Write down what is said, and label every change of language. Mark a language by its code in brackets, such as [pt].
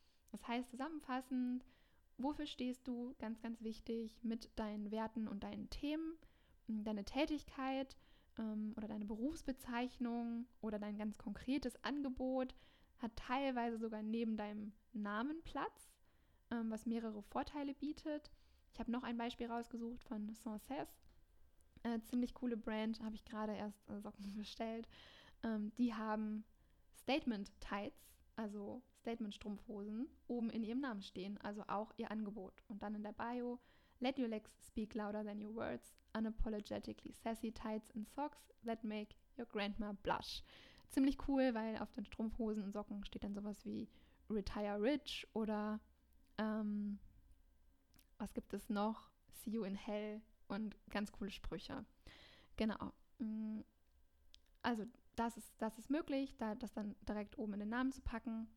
[de] Das heißt zusammenfassend, wofür stehst du, ganz, ganz wichtig, mit deinen Werten und deinen Themen, deine Tätigkeit oder deine Berufsbezeichnung oder dein ganz konkretes Angebot hat teilweise sogar neben deinem Namen Platz, was mehrere Vorteile bietet. Ich habe noch ein Beispiel rausgesucht von Sanses. Ziemlich coole Brand, habe ich gerade erst Socken bestellt. Die haben Statement-Tights, also Statement-Strumpfhosen, oben in ihrem Namen stehen, also auch ihr Angebot. Und dann in der Bio, [en] let your legs speak louder than your words, unapologetically sassy tights and socks that make your grandma blush. [de] Ziemlich cool, weil auf den Strumpfhosen und Socken steht dann sowas wie [en] retire rich [de] oder was gibt es noch? [en] See you in hell [de] und ganz coole Sprüche. Genau. Also das ist möglich, das dann direkt oben in den Namen zu packen.